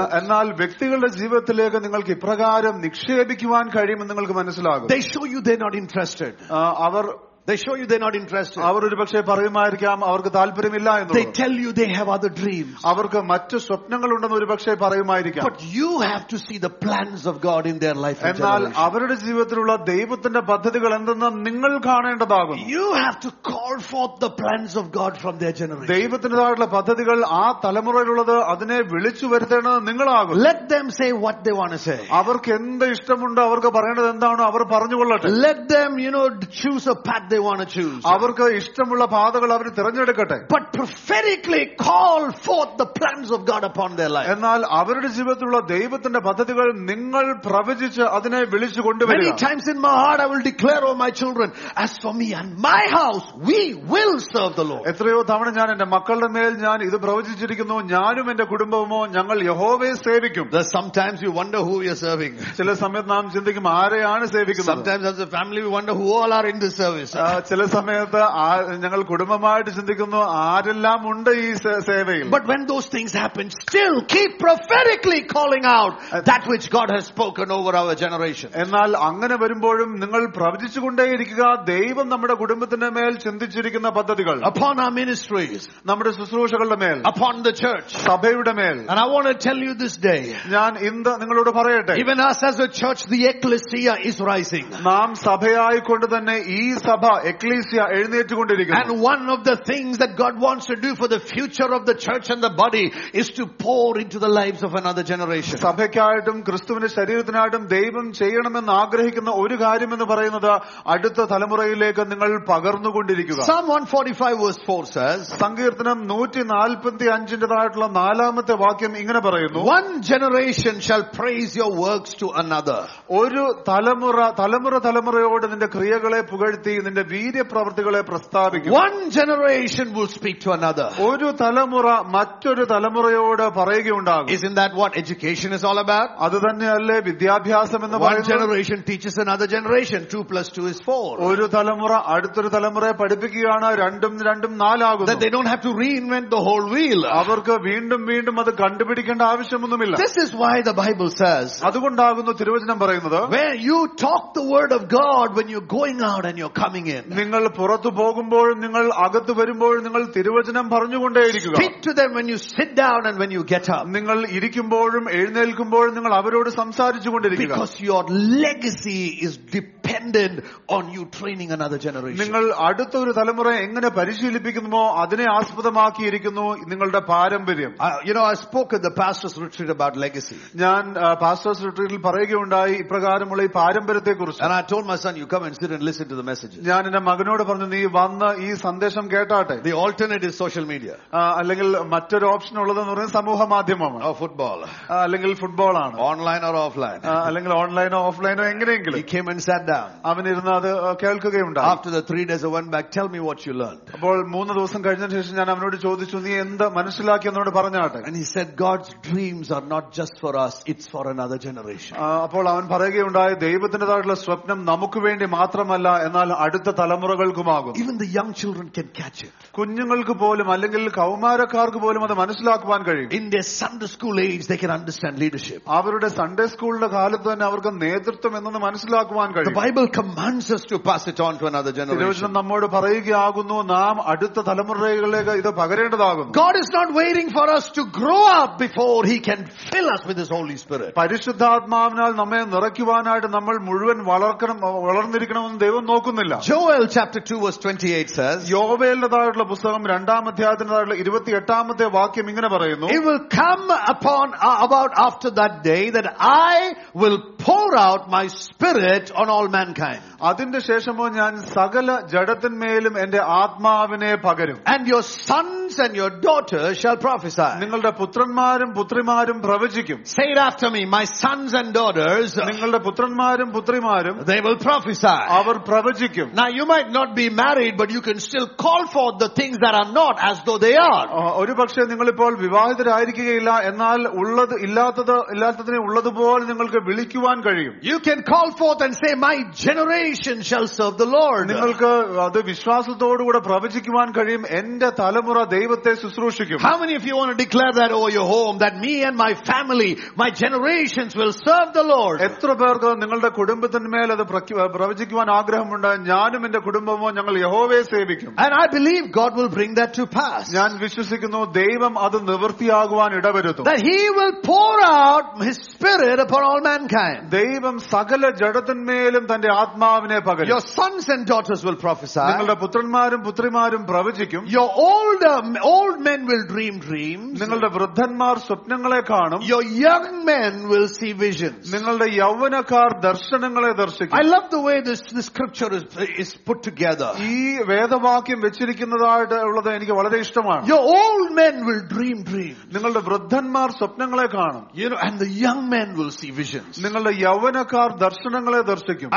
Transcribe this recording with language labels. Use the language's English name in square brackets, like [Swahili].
[Malayalam] എന്നാൽ വ്യക്തികളുടെ ജീവിതത്തിലേക്ക് നിങ്ങൾക്ക് ഇപ്രകാരം നിക്ഷേപിക്കുവാൻ കഴിയുമെന്ന് നിങ്ങൾക്ക് മനസ്സിലാകും. [English] They show you they not interested. [Malayalam] Our [English] They show you they're not interested. [Malayalam] അവരൊരു പക്ഷേ പറയുമായിരിക്കാം അവർക്ക് താല്പര്യമില്ല എന്നുള്ളത്. [English] They tell you they have other dreams. [Malayalam] അവർക്ക് മറ്റു സ്വപ്നങ്ങളുണ്ടെന്ന് ഒരു പക്ഷേ പറയുമായിരിക്കാം. [English] But you have to see the plans of God in their life. [Malayalam] എന്നാൽ അവരുടെ ജീവിതത്തിലുള്ള ദൈവത്തിന്റെ പദ്ധതികൾ എന്തെന്ന് നിങ്ങൾ കാണേണ്ടതാകും. [English] You have to call forth the plans of God from their generation. [Malayalam] ദൈവത്തിന്റേതായിട്ടുള്ള പദ്ധതികൾ ആ തലമുറയിലുള്ളത് അതിനെ വിളിച്ചു വരുത്തേണ്ടത് നിങ്ങളാകും. [English] Let them say what they want to say. [Malayalam] അവർക്ക് എന്ത് ഇഷ്ടമുണ്ടോ അവർക്ക് പറയേണ്ടത് എന്താണോ അവർ പറഞ്ഞുകൊള്ളട്ടെ. [English] Let them, you know, choose a path they want to choose. [Malayalam] അവർക്ക് ഇഷ്ടമുള്ള പാതകൾ അവർ തിരഞ്ഞെടുക്കട്ടെ. [English] But prophetically call forth the plans of God upon their life. [Malayalam] എന്നാൽ അവരുടെ ജീവിതത്തിലുള്ള ദൈവത്തിന്റെ പദ്ധതികൾ നിങ്ങൾ പ്രവചിച്ച് അതിനെ വിളിച്ചു കൊണ്ടുവരിക. [English] Many times in my heart I will declare over my children, as for me and my house we will serve the Lord. [Malayalam] എത്രയോ തവണ ഞാൻ എന്റെ മക്കളുടെ മേൽ ഞാൻ ഇത് പ്രവചിച്ചിരിക്കുന്നു, ഞാനും എന്റെ കുടുംബവുമോ ഞങ്ങൾ യഹോവയെ സേവിക്കും. [English] Sometimes you wonder who you are serving. [Malayalam] ചില സമയത്ത് നാം ചിന്തിക്കും ആരെയാണ് സേവിക്കുന്നത്. [English] Sometimes as a family we wonder who all are in this service. [Malayalam] ചില സമയത്ത് ഞങ്ങൾ കുടുംബമായിട്ട് ചിന്തിക്കുന്നു ആരെല്ലാം ഉണ്ട് ഈ സേവയിൽ. [English] But when those things happen, still keep prophetically calling out that which God has spoken over our generation. [Malayalam] എന്നാൽ അങ്ങനെ വരുമ്പോഴും നിങ്ങൾ പ്രവചിച്ചുകൊണ്ടേയിരിക്കുക ദൈവം നമ്മുടെ കുടുംബത്തിന്റെ മേൽ ചിന്തിച്ചിരിക്കുന്ന പദ്ധതികൾ. [English] Upon our ministries, [Malayalam] നമ്മുടെ ശുശ്രൂഷകളുടെ മേൽ. [English] Upon the church, [Malayalam] സഭയുടെ മേൽ. [English] And I want to tell you this day, [Malayalam] ഞാൻ ഇന്ന് നിങ്ങളോട് പറയട്ടെ, [English] even us as a church, the ecclesia is rising. [Malayalam] നാം സഭയായി കൊണ്ട് തന്നെ ഈ സഭ ecclesia എഴുന്നേറ്റുകൊണ്ടിരിക്കുന്നു. [English] And one of the things that God wants to do for the future of the church and the body is to pour into the lives of another generation. [Malayalam] സഭയ്ക്കായിട്ടും ക്രിസ്തുവിന്റെ ശരീരത്തിനായിട്ടും ദൈവം ചെയ്യണമെന്ന് ആഗ്രഹിക്കുന്ന ഒരു കാര്യം എന്ന് പറയുന്നത് അടുത്ത തലമുറയിലേക്ക് നിങ്ങൾ പകർന്നുകൊണ്ടിരിക്കുക. [English] Psalm 145 verse 4 says, [Malayalam] സങ്കീർത്തനം 145-ന്റേതായിട്ടുള്ള നാലാമത്തെ വാക്യം ഇങ്ങനെ പറയുന്നു, [English] One generation shall praise your works to another. [Malayalam] ഒരു തലമുറ തലമുറയോട് നിന്റെ ക്രിയകളെ പുകഴ്ത്തി നിന്റെ വീര്യപ്രവൃത്തികളെ പ്രസ്താവിക്കും. [English] One generation will speak to another. [Malayalam] ഒരു തലമുറ മറ്റൊരു തലമുറയോട് പറയുകയുണ്ടാകും. [English] Isn't that what education is all about? [Malayalam] അത് തന്നെയല്ലേ വിദ്യാഭ്യാസം എന്ന് പറയുന്നത്. [English] One generation teaches another generation. 2 + 2 = 4. [Malayalam] ഒരു തലമുറ അടുത്തൊരു തലമുറയെ പഠിപ്പിക്കുകയാണ്. രണ്ടും രണ്ടും നാലാകുന്നു. [English] That they don't have to reinvent the whole wheel. [Malayalam] അവർക്ക് വീണ്ടും വീണ്ടും അത് കണ്ടുപിടിക്കേണ്ട ആവശ്യമൊന്നുമില്ല. [English] This is why the Bible says. [Malayalam] അതുകൊണ്ടാകുന്നു തിരുവചനം പറയുന്നത്. [English] When you talk the word of God when you're going out and you're coming in. [Malayalam] നിങ്ങൾ പുറത്തു പോകുമ്പോഴും നിങ്ങൾ അകത്തു വരുമ്പോഴും നിങ്ങൾ തിരുവചനം പറഞ്ഞുകൊണ്ടേയിരിക്കുക. [English] Speak to them when you sit down and when you get up. [Malayalam] നിങ്ങൾ ഇരിക്കുമ്പോഴും എഴുന്നേൽക്കുമ്പോഴും നിങ്ങൾ അവരോട് സംസാരിച്ചുകൊണ്ടിരിക്കുക. [English] Because your legacy is dependent on you training another generation. [Malayalam] നിങ്ങൾ അടുത്ത ഒരു തലമുറ എങ്ങനെ പരിശീലിപ്പിക്കുന്നുവോ അതിനെ ആസ്പദമാക്കിയിരിക്കുന്നു നിങ്ങളുടെ പാരമ്പര്യം. [English] You know, I spoke at the pastor's retreat about legacy. [Malayalam] ഞാൻ പാസ്റ്റേഴ്സ് റിട്രീറ്റിൽ പറയുകയുണ്ടായി ഇപ്രകാരമുള്ള ഈ പാരമ്പര്യത്തെ കുറിച്ച്. [English] And I told my son, you come and sit and listen to the message. [Malayalam] ഞാൻ എന്റെ മകനോട് പറഞ്ഞു, നീ വന്ന് ഈ സന്ദേശം കേട്ടാട്ടെ. [English] The alternative is social media. [Malayalam] അല്ലെങ്കിൽ മറ്റൊരു ഓപ്ഷൻ ഉള്ളത് എന്ന് പറയുന്നത് സമൂഹ മാധ്യമമാണ്. [English] football [Malayalam] അല്ലെങ്കിൽ ഫുട്ബോളാണ്. [English] online or offline [Malayalam] അല്ലെങ്കിൽ ഓൺലൈനോ ഓഫ്ലൈനോ എങ്ങനെയെങ്കിലും. [English] He came and sat down. [Malayalam] അവനിരുന്ന് അത് കേൾക്കുകയുണ്ട്. [English] After the 3 days I went back, tell me what you learned. [Malayalam] അപ്പോൾ മൂന്ന് ദിവസം കഴിഞ്ഞതിന് ശേഷം ഞാൻ അവനോട് ചോദിച്ചു, നീ എന്ത് മനസ്സിലാക്കി എന്നോട് പറഞ്ഞാട്ടെ. [English] And he said, God's dreams are not just for us, it's for another generation. [Malayalam] അപ്പോൾ അവൻ പറയുകയുണ്ടായി, ദൈവത്തിന്റേതായിട്ടുള്ള സ്വപ്നം നമുക്ക് വേണ്ടി മാത്രമല്ല എന്നാൽ അടുത്ത തലമുറകൾക്കുമാകും. [English] Even the young children can catch it. [Malayalam] കുഞ്ഞുങ്ങൾക്ക് പോലും അല്ലെങ്കിൽ കൗമാരക്കാർക്ക് പോലും അത് മനസ്സിലാക്കുവാൻ കഴിയും. [English] In their Sunday school age they can understand leadership. [Malayalam] അവരുടെ സൺഡേ സ്കൂളിലെ കാലത്ത് തന്നെ അവർക്ക് നേതൃത്വം എന്നത് മനസ്സിലാക്കുവാൻ കഴിയും. [English] The Bible commands us to pass it on to another generation. [Malayalam] നമ്മോട് പറയുകയാകുന്നു, നാം അടുത്ത തലമുറകളിലേക്ക് ഇത് പകരേണ്ടതാകുന്നു. [English] God is not waiting for us to grow up before he can fill us with his Holy Spirit. [Malayalam] പരിശുദ്ധാത്മാവിനാൽ നമ്മെ നിറയ്ക്കുവാനായിട്ട് നമ്മൾ മുഴുവൻ വളർന്നിരിക്കണമെന്ന് ദൈവം നോക്കുന്നില്ല. [English] Joel chapter 2 verse 28 says, [Malayalam] യോവേലിന്റേതായിട്ടുള്ള പുസ്തകം രണ്ടാം അധ്യായത്തിന്റേതായിട്ടുള്ള 28-ാമത്തെ വാക്യം ഇങ്ങനെ പറയുന്നു, [English] It will come upon about after that day that I will pour out my spirit on all mankind. [Malayalam] അതിന്റെ ശേഷമോ ഞാൻ സകല ജഡത്തിന്മേലും എന്റെ ആത്മാവിനെ പകരും. [English] And your sons and your daughters shall prophesy. [Malayalam] നിങ്ങളുടെ പുത്രന്മാരും പുത്രിമാരും പ്രവചിക്കും. [English] Say it after me, my sons and daughters. [Malayalam] നിങ്ങളുടെ പുത്രന്മാരും പുത്രിമാരും. [English] They will prophesy. [Malayalam] Our പ്രവചിക്കും. [English] Now you might not be married but you can still call for the things that are not as though they are. [Malayalam] ഒരുപക്ഷേ നിങ്ങൾ ഇപ്പോൾ വിവാഹിതരായിരിക്കുകയില്ല, എന്നാൽ ഉള്ളത് ഇല്ലാത്തതിനെ ഉള്ളതുപോലെ നിങ്ങൾക്ക് വിളിക്കുവാൻ കഴിയും. [English] You can call forth and say, my generation shall serve the Lord. [Malayalam] നിങ്ങൾക്ക് അത് വിശ്വാസത്തോടു കൂടെ പ്രവചിക്കുവാൻ കഴിയും. എന്റെ തലമുറ ദൈവത്തെ ശുശ്രൂഷിക്കും. [English] How many of you want to declare that over your home, that me and my family, my generations will serve the Lord? [Malayalam] എത്ര പേർക്ക് നിങ്ങളുടെ കുടുംബത്തിന്മേൽ അത് പ്രവചിക്കുവാൻ ആഗ്രഹമുണ്ട്? ഞാനും എന്റെ കുടുംബവും ഞങ്ങൾ യഹോവയെ സേവിക്കും. [English] And I believe God will bring that to pass. [Malayalam] ഞാൻ വിശ്വസിക്കുന്നു ദൈവം അത് നിവൃത്തിയാകുവാൻ ഇടവരുത്തും. [English] That he will pour out his spirit upon all mankind. [Malayalam] ദൈവം സകല ജഡത്തിന്മേലും തന്റെ ആത്മാവിനെ പകരും. [English] Your sons and daughters will prophesy. [Malayalam] നിങ്ങളുടെ പുത്രന്മാരും പുത്രിമാരും പ്രവചിക്കും. [English] Your old men will dream dreams. [Malayalam] നിങ്ങളുടെ വൃദ്ധന്മാർ സ്വപ്നങ്ങളെ കാണും. [English] Your young men will see visions. [Malayalam] നിങ്ങളുടെ യൗവനക്കാർ ദർശനങ്ങളെ ദർശിക്കും. [English] I love the way this scripture is put together. [Malayalam] ഈ വേദവാക്യം വെച്ചിരിക്കുന്നതായിട്ടുള്ളത് എനിക്ക് വളരെ ഇഷ്ടമാണ്. [English] Your old men will dream dreams. [Malayalam] നിങ്ങളുടെ വൃദ്ധന്മാർ സ്വപ്നങ്ങളെ കാണും. [English] You know, and the young men will see visions. [Malayalam] നിങ്ങളുടെ യൗവനക്കാർ ദർശനങ്ങളെ ദർശിക്കും.